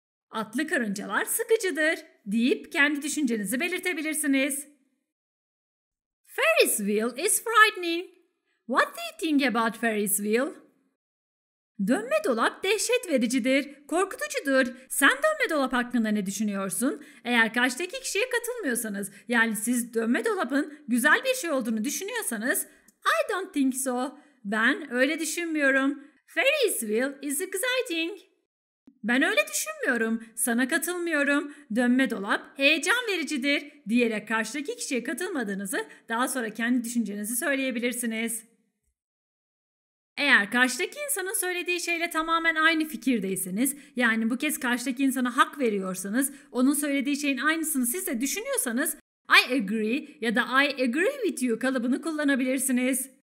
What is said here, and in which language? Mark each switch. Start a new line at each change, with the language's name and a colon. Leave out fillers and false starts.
Turkish: Atlı karıncalar sıkıcıdır deyip kendi düşüncenizi belirtebilirsiniz.
English: Ferris wheel is frightening. What do you think about Ferris wheel?
Turkish: Dönme dolap dehşet vericidir, korkutucudur. Sen dönme dolap hakkında ne düşünüyorsun? Eğer karşıdaki kişiye katılmıyorsanız, yani siz dönme dolabın güzel bir şey olduğunu düşünüyorsanız,
English: I don't think so.
Turkish: Ben öyle düşünmüyorum.
English: Ferris wheel is exciting.
Turkish: Ben öyle düşünmüyorum. Sana katılmıyorum. Dönme dolap heyecan vericidir diyerek karşıdaki kişiye katılmadığınızı daha sonra kendi düşüncenizi söyleyebilirsiniz. Eğer karşıdaki insanın söylediği şeyle tamamen aynı fikirdeyseniz, yani bu kez karşıdaki insana hak veriyorsanız, onun söylediği şeyin aynısını siz de düşünüyorsanız,
English: I agree
Turkish: ya da
English: I agree with you
Turkish: kalıbını kullanabilirsiniz.